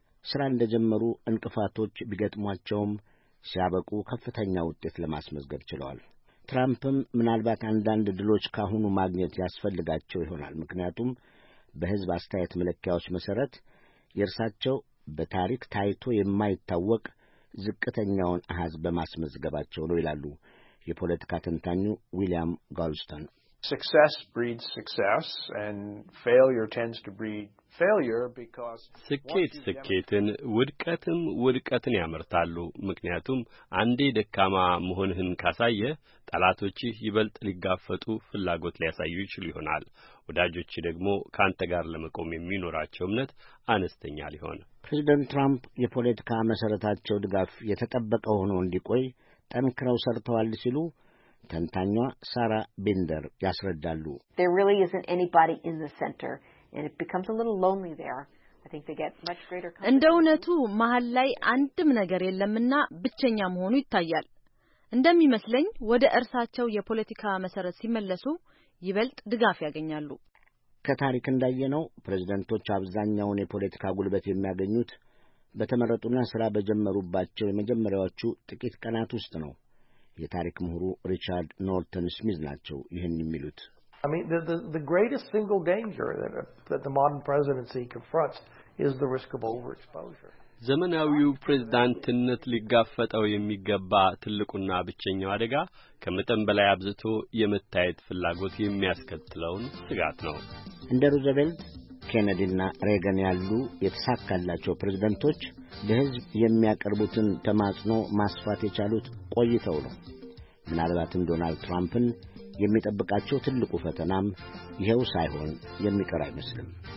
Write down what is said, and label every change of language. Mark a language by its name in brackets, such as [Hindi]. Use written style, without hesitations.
[Amharic] ሥራ እንደ ጀመሩ እንቅፋቶች ቢገጥሟቸውም ሲያበቁ ከፍተኛ ውጤት ለማስመዝገብ ችለዋል። ትራምፕም ምናልባት አንዳንድ ድሎች ካሁኑ ማግኘት ያስፈልጋቸው ይሆናል። ምክንያቱም በሕዝብ አስተያየት መለኪያዎች መሠረት የእርሳቸው በታሪክ ታይቶ የማይታወቅ ዝቅተኛውን አሃዝ በማስመዝገባቸው ነው ይላሉ የፖለቲካ ተንታኙ ዊሊያም ጋልስተን። [English] Success breeds success and failure tends to breed failure because [Amharic] ስኬትን ውድቀትም ውድቀትን ያመርታሉ። ምክንያቱም አንዴ ደካማ መሆንህን ካሳየ ጠላቶች ይበልጥ ሊጋፈጡ ፍላጎት ሊያሳዩ ይችሉ ይሆናል። ወዳጆች ደግሞ ካንተ ጋር ለመቆም የሚኖራቸው እምነት አነስተኛ ሊሆን። ፕሬዝዳንት ትራምፕ የፖለቲካ መሰረታቸው ድጋፍ የተጠበቀ ሆኖ እንዲቆይ ጠንክረው ሰርተዋል ሲሉ ተንታኛ ሳራ ቢንደር ያስረዳሉ። [English] There really isn't anybody in the center and it becomes a little lonely there. I think they get much greater confidence. [Amharic] እንደውነቱ መሃል ላይ አንድም ነገር የለምና ብቸኛ መሆኑ ይታያል። እንደሚመስለኝ ወደ እርሳቸው የፖለቲካ መሰረት ሲመለሱ ይበልጥ ድጋፍ ያገኛሉ። ከታሪክ እንደየነው ፕሬዝዳንቶች አብዛኛውን የፖለቲካ ጉልበት የሚያገኙት በተመረጡና ሥራ በጀመሩባቸው የመጀመሪያዎቹ ጥቂት ቀናት ውስጥ ነው። የታሪክ ምሁሩ ሪቻርድ ኖርተን ስሚዝ ናቸው ይህን የሚሉት። [English] I mean the greatest single danger that the modern presidency confronts is the risk of overexposure. [Amharic] ዘመናዊው ፕሬዝዳንትነት ሊጋፈጠው የሚገባ ትልቁና ብቸኛው አደጋ ከመጠን በላይ አብዝቶ የመታየት ፍላጎት የሚያስከትለውን ስጋት ነው። እንደ ሩዘቬልት፣ ኬነዲና ሬገን ያሉ የተሳካላቸው ፕሬዝዳንቶች ለሕዝብ የሚያቀርቡትን ተማጽኖ ማስፋት የቻሉት ቆይተው ነው። ምናልባትም ዶናልድ ትራምፕን የሚጠብቃቸው ትልቁ ፈተናም ይሄው ሳይሆን የሚቀር አይመስልም።